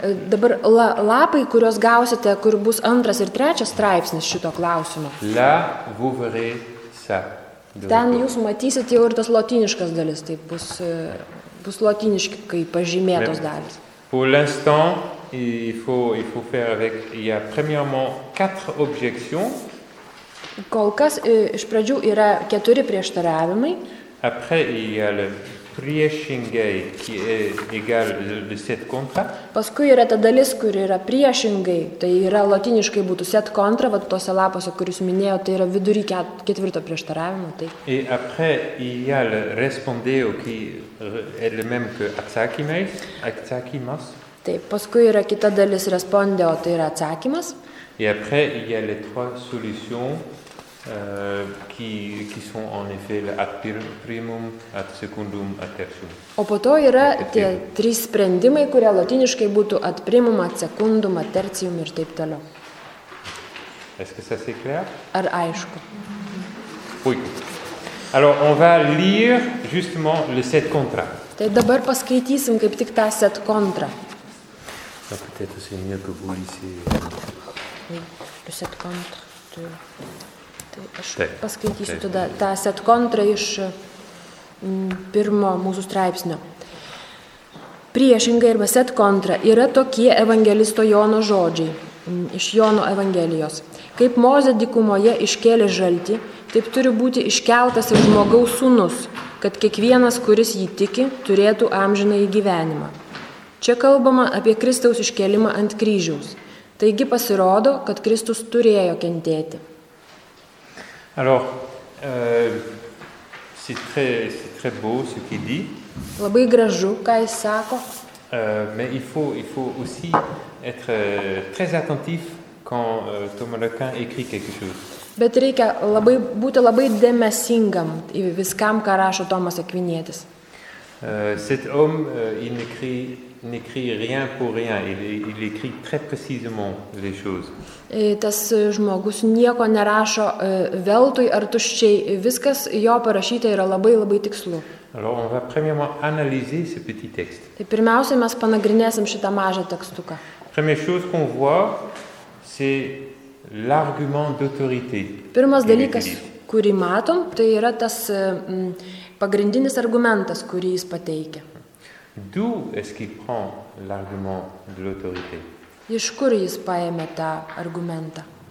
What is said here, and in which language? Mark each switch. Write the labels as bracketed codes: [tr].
[lt] Dabar lapai, kuriuos gausite, kur bus antras ir trečias straipsnis šito klausimo. [fr] Là, vous verrez ça. [lt] Ten jūs matysite jau ir tas lotyniškas dalis, taip bus lotyniškai pažymėtos dalis. [fr] Pour l'instant, il faut faire avec, il y a premièrement quatre objections. [lt] Kol kas, iš pradžių yra keturi prieštaravimai. [fr] Après, il y a le priešingai, qui est égal le set contra. [lt] Paskui yra ta dalis, kur yra priešingai, tai yra lotyniškai būtų set contra, vat tose lapose, kuris minėjo, tai yra vidury ketvirto prieštaravimo. Tai. [fr] Et après, il y a le respondeo, qui est le même que atsakymas. [lt] Taip, paskui yra kita dalis respondeo, tai yra atsakymas. [fr] Et après, il y a les trois solutions. Qui sont en effet le ad primum, ad secundum, ad tertium. [lt] O po to yra tie trys sprendimai, kurie lotyniškai būtų ad primum, ad secundum, ad tertium ir taip toliau. [fr] Est-ce que ça c'est clair? [lt] Ar aišku? [fr] Oui. Alors, on va lire justement le set contra. [lt] Tai dabar paskaitysim kaip tik tą set contra. [fr] Ah, peut-être c'est mieux que vous lisez. Oui, le set contra. [lt] Tai aš paskaitysiu tada tą set kontrą iš pirmo mūsų straipsnio. Priešingai arba set kontra yra tokie evangelisto Jono žodžiai iš Jono evangelijos. Kaip Mozė dykumoje iškėlė žaltį, taip turi būti iškeltas ir žmogaus sūnus, kad kiekvienas, kuris jį tiki, turėtų amžiną į gyvenimą. Čia kalbama apie Kristaus iškėlimą ant kryžiaus. Taigi pasirodo, kad Kristus turėjo kentėti. [fr] Alors, c'est très beau ce qu'il dit. [lt] Labai gražu, ką jis sako. [fr] Mais il faut aussi être très attentif quand Thomas Aquin écrit quelque chose. [lt] Bet reikia labai, būti labai dėmesingam į viskam, ką rašo Tomas Akvinietis. [fr] Cet homme, n'écrit rien pour rien. Il écrit très précisément les choses. [lt] Tas žmogus nieko nerašo veltui ar tuščiai. Viskas jo parašyta yra labai, labai tikslu. [fr] Alors, on va premièrement analyser ce petit texte. [lt] Tai pirmiausia, mes panagrinėsim šitą mažą tekstuką. [fr] Première chose qu'on voit, c'est l'argument d'autorité. [lt] Pirmas dalykas, kurį matom, tai yra tas pagrindinis argumentas, kurį jis pateikia. [fr] D'où est-ce qu'il prend l'argument de l'autorité? [lt] Iš kur jis paėmė tą argumentą?